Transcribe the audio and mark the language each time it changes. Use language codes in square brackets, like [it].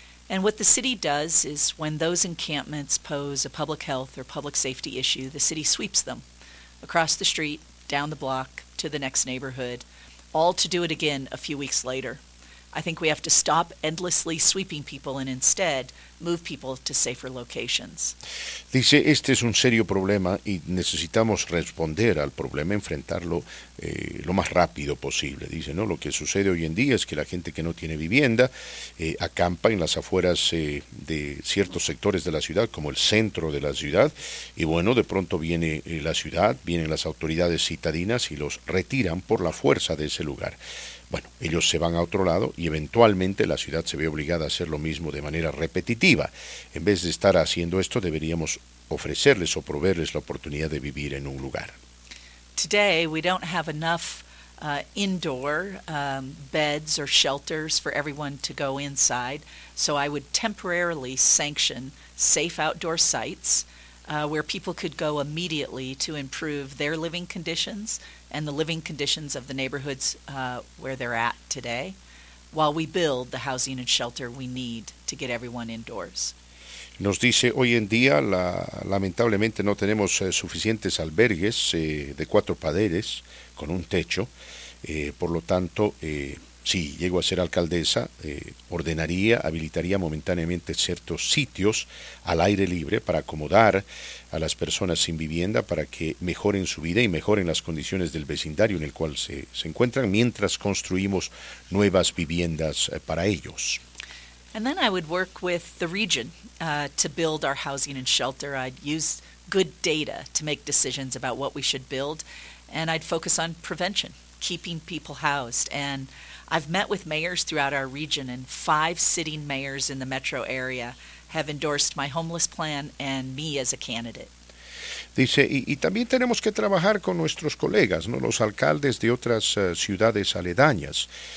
[en] And what the city does is when those encampments pose a public health or public safety issue, the city sweeps them across the street, down the block, to the next neighborhood, all to do it again a few weeks later. I think we have to stop endlessly sweeping people and instead move people to safer locations. [es] Dice, este es un serio problema y necesitamos responder al problema, enfrentarlo lo más rápido posible. Dice, ¿no? Lo que sucede hoy en día es que la gente que no tiene vivienda acampa en las afueras de ciertos sectores de la ciudad, como el centro de la ciudad, y bueno, de pronto viene la ciudad, vienen las autoridades citadinas y los retiran por la fuerza de ese lugar. Bueno, ellos se van a otro lado y eventualmente la ciudad se ve obligada a hacer lo mismo de manera repetitiva. En vez de estar haciendo esto, deberíamos ofrecerles o proveerles la oportunidad de vivir en un lugar. [en] Today we don't have enough indoor beds or shelters for everyone to go inside, so I would temporarily sanction safe outdoor sites where people could go immediately to improve their living conditions and the living conditions of the neighborhoods where they're at today, while we build the housing and shelter we need to get everyone indoors. [es] Nos dice, hoy en día, lamentablemente no tenemos suficientes albergues de cuatro paredes con un techo. Por lo tanto, si llego a ser alcaldesa, ordenaría, habilitaría momentáneamente ciertos sitios al aire libre para acomodar a las personas sin vivienda para que mejoren su vida y mejoren las condiciones del vecindario en el cual se encuentran mientras construimos nuevas viviendas para ellos. [en] And then I would work with the region to build our housing and shelter. I'd use good data to make decisions about what we should build, and I'd focus on prevention, keeping people housed. And I've met with mayors throughout our region, and five sitting mayors in the metro area have endorsed my homeless plan and me as a candidate. [es] Dice, y también tenemos que trabajar con nuestros colegas, ¿no? Los alcaldes de otras ciudades aledañas.